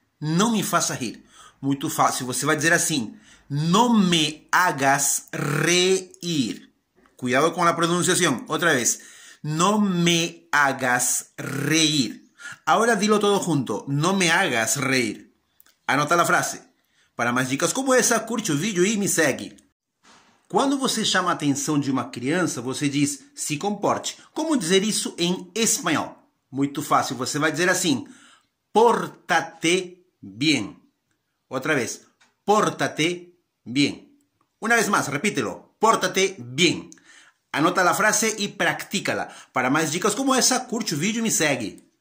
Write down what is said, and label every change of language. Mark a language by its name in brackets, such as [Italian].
[Portuguese] No me faça rir. [Spanish] Muy fácil, você va a decir así: no me hagas reír. Cuidado con la pronunciación, otra vez: no me hagas reír. Ahora dilo todo junto: no me hagas reír. Anota la frase. Para más dicas como esa, curte el video y me sigue. [Portuguese] Cuando você chama a atención de una criança, você diz: se comporte. [Spanish] ¿Cómo decir eso en español? Muy fácil, você va a decir así: pórtate bien. Otra vez: pórtate bien. Una vez más, repítelo: pórtate bien. Anota la frase y practícala. Para más dicas como esa, curte el video y me sigue.